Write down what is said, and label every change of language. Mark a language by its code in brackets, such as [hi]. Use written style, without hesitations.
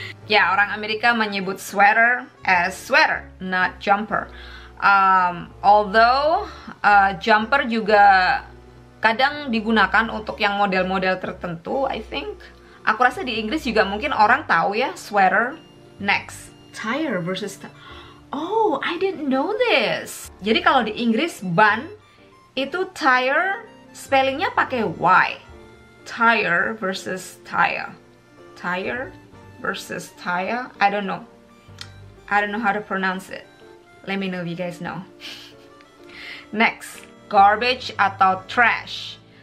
[id] Ya, orang Amerika menyebut sweater [en] as sweater, not jumper. Although jumper [id] juga kadang digunakan untuk yang model-model tertentu, [en] I think. [id] Aku rasa di Inggris juga mungkin orang tahu ya, sweater. [en] Next, tire versus Oh, I didn't know this. [id] Jadi kalau di Inggris ban itu tire, spellingnya pakai Y. [en] Tire versus tire. Tire versus tire. I don't know. I don't know how to pronounce it. Let me know if you guys know. Next, garbage atau trash.